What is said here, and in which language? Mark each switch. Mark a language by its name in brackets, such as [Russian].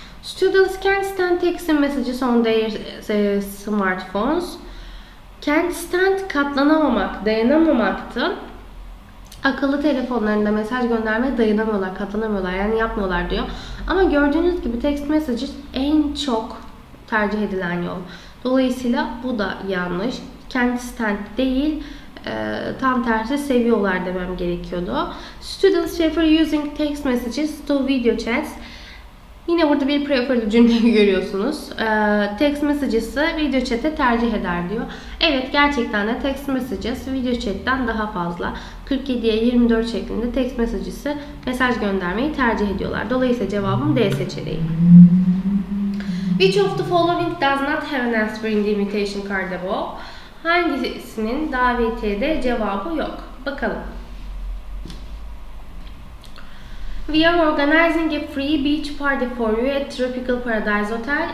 [English] Students can't stand texting messages on their smartphones. [Turkish] Can't stand katlanamamak, dayanamamaktı. Akıllı telefonlarında mesaj göndermeye dayanamıyorlar, katlanamıyorlar, yani yapmıyorlar diyor. Ama gördüğünüz gibi text messages en çok tercih edilen yol. Dolayısıyla bu da yanlış. Can't stand değil, tam tersi seviyorlar demem gerekiyordu. [English] Students prefer using text messages to video chats. [Turkish] Yine burada bir preferred cümleyi görüyorsunuz. Text messages'ı video chat'e tercih eder diyor. Evet, gerçekten de text messages video chat'ten daha fazla. 47'ye 24 şeklinde text messages'ı mesaj göndermeyi tercih ediyorlar. Dolayısıyla cevabım D seçeneği. [English] Which of the following does not have an answer in the invitation card above? [Turkish] Hangisinin davetiyede cevabı yok? Bakalım. [English] We are organizing a free beach party for you at Tropical Paradise Hotel.